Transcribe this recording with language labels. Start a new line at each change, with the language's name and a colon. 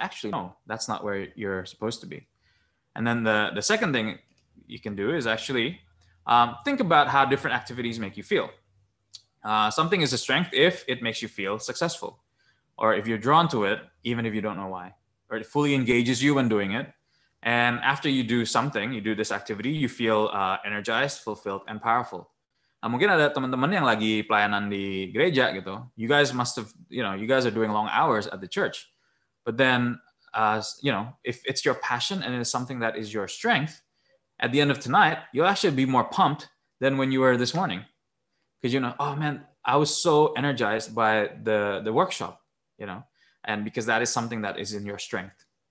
English: Actually, no, that's not where you're supposed to be. And then the second thing you can do is actually think about how different activities make you feel. Something is a strength if it makes you feel successful, or if you're drawn to it, even if you don't know why, or it fully engages you when doing it. And after you do something, you do this activity, you feel energized, fulfilled, and powerful.
Indonesian: Nah, mungkin ada teman-teman yang lagi pelayanan di gereja gitu.
English: You guys must have, you know, you guys are doing long hours at the church. But then, you know, if it's your passion and it's something that is your strength, at the end of tonight, you'll actually be more pumped than when you were this morning. Because, you know, oh man, I was so energized by the workshop, you know, and because that is something that is in your strength.